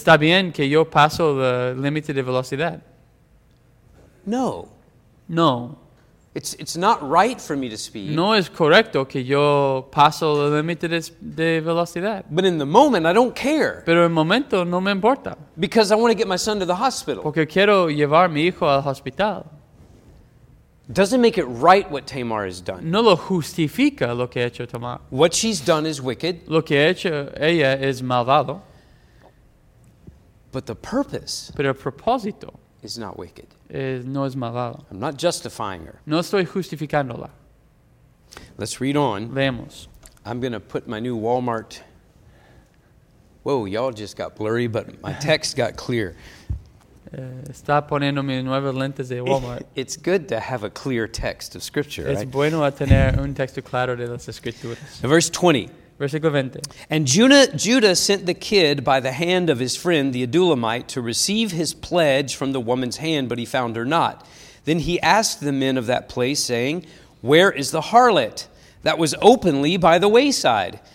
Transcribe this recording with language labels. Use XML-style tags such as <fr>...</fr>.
<es>Está bien que yo paso el límite de velocidad. No. No.</es> <en>It's not right for me to speed.</en> <es>No es correcto que yo paso el límite de velocidad.</es> <en>But in the moment, I don't care.</en> <es>Pero en el momento no me importa.</es> <en>Because I want to get my son to the hospital.</en> <es>Porque quiero llevar a mi hijo al hospital.</es> <en>Doesn't make it right what Tamar has done.</en> <es>No lo justifica lo que ha hecho Tamar.</es> <en>What she's done is wicked.</en> <es>Lo que ha hecho ella es malvado.</es> <en>But the purpose.</en> <es>Pero el propósito.</es> <en>Is not wicked.</en> <es>No es malvado.</es> <en>I'm not justifying her.</en> <es>No estoy justificándola.</es> <en>Let's read on.</en> <es>Leemos.</es> <en>I'm going to put my new Walmart. Whoa, y'all just got blurry, but my text got clear.</en> <es>Está poniendo mis nuevas lentes de Walmart.</es> <en>It's good to have a clear text of Scripture,</en> <es>es</es> <en>right?</en> <es>Es bueno a tener un texto claro de las Escrituras.</es> <en>Verse 20.</en> <es>Versículo 20.</es> <en>And Judah sent the kid by the hand of his friend, the Adullamite, to receive his pledge from the woman's hand, but he found her not. Then he asked the men of that place, saying, "Where is the harlot that was openly by the wayside?"</en>